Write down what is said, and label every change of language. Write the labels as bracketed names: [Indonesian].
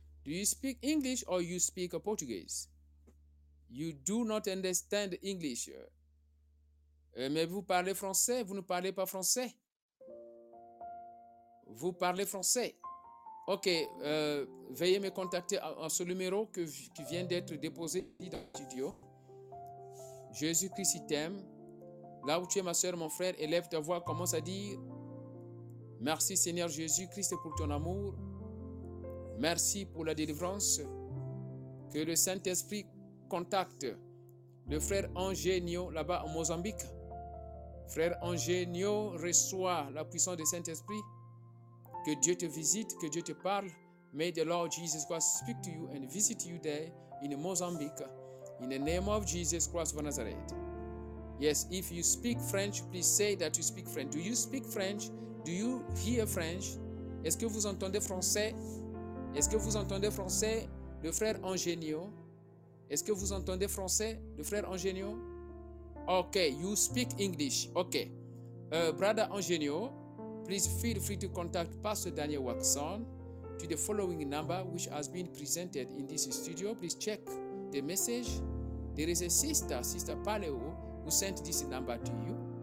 [English] Do you speak English or you speak Portuguese? You do not understand English. [French] Mais vous parlez français, vous ne parlez pas français. Vous parlez français. Ok, veuillez me contacter à ce numéro qui vient d'être déposé dans le studio. Jésus-Christ t'aime. Là où tu es, ma soeur, mon frère, élève ta voix, commence à dire merci Seigneur Jésus-Christ pour ton amour. Merci pour la délivrance. Que le Saint-Esprit contacte le frère Angénio là-bas au Mozambique. Frère Angénio, reçois la puissance du Saint-Esprit. Que Dieu te visite, que Dieu te parle. [English] May the Lord Jesus Christ speak to you and visit you there in Mozambique. In the name of Jesus Christ of Nazareth. Yes, if you speak French, please say that you speak French. Do you speak French? Do you hear French? [French] Est-ce que vous entendez français? Est-ce que vous entendez français, le frère Angénio? Est-ce que vous entendez français, le frère Angénio? [English] Ok, you speak English. Ok. Brother Angénio, please feel free to contact Pastor Daniel Waxon to the following number which has been presented in this studio. Please check the message. There is a sister Paleo, who sent this number to you.